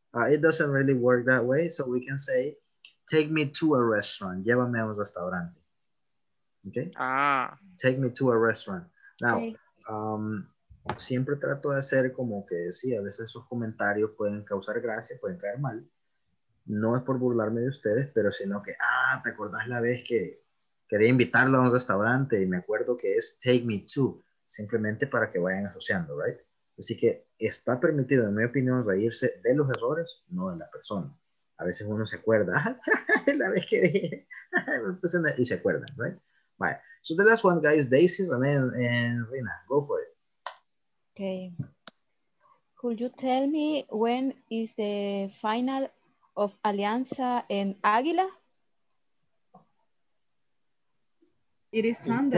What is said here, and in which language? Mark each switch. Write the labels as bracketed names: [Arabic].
[English] It doesn't really work that way, so we can say, take me to a restaurant. [Spanish] Llévame a un restaurante. Okay? Ah. [English] Take me to a restaurant. [Spanish] Now, siempre trato de hacer como que sí, a veces esos comentarios pueden causar gracia, pueden caer mal. No es por burlarme de ustedes, pero sino que, ¿te acordás la vez que quería invitarlo a un restaurante? Y me acuerdo que es [English] take me to, [Spanish] simplemente para que vayan asociando, right? Así que está permitido, en mi opinión, reírse de los errores, no de la persona. A veces uno se acuerda, la vez que dije, y se acuerda, right? [English] Bye. So the last one, guys, Daisy, and then Rina, go for it. Okay. Could you tell me when is the final of Alianza en Águila? It is Sunday.